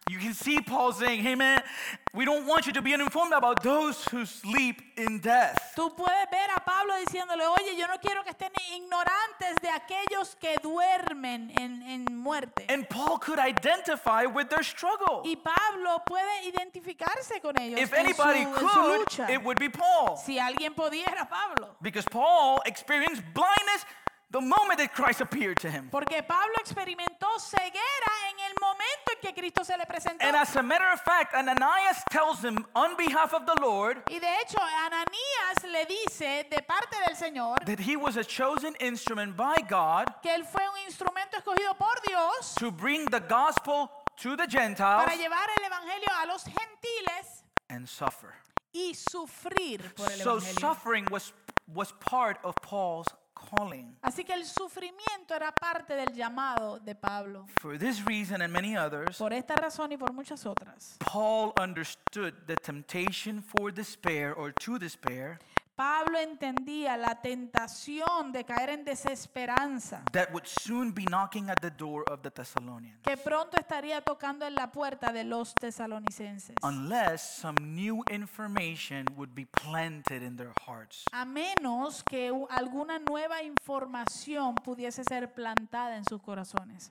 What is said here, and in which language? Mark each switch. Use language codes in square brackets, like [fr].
[en] You can see Paul saying, "Hey man, we don't want you to be uninformed about those who sleep in death." [es] Tú puedes ver a Pablo diciéndole, "Oye, yo no quiero que estén ignorantes de aquellos que duermen en muerte." [en] And Paul could identify with their struggle. [es] Y Pablo puede identificarse con ellos. [en] If anybody could, it would be Paul. [es] Si alguien pudiera, Pablo. [en] Because Paul experienced blindness the moment that Christ appeared to him. [es] Porque Pablo experimentó ceguera en el momento en que Cristo se le presentó. [en] And as a matter of fact, Ananias tells him on behalf of the Lord. [es] Y de hecho, Ananias le dice de parte del Señor [en] that he was a chosen instrument by God. [es] Que él fue un instrumento escogido por Dios [en] to bring the gospel to the Gentiles. [es] Para llevar el evangelio a los gentiles [en] and suffer. [es] Y sufrir por el evangelio. [en] So suffering was part of Paul's calling. [es] Así que el sufrimiento era parte del llamado de Pablo. [en] For this reason and many others, [es] por esta razón y por muchas otras, [en] Paul understood the temptation for despair or to despair. [es] Pablo entendía la tentación de caer en desesperanza. [en] That would soon be knocking at the door of the Thessalonians. [es] Que pronto estaría tocando en la puerta de los tesalonicenses. [en] Unless some new information would be planted in their hearts. [es] A menos que alguna nueva información pudiese ser plantada en sus corazones.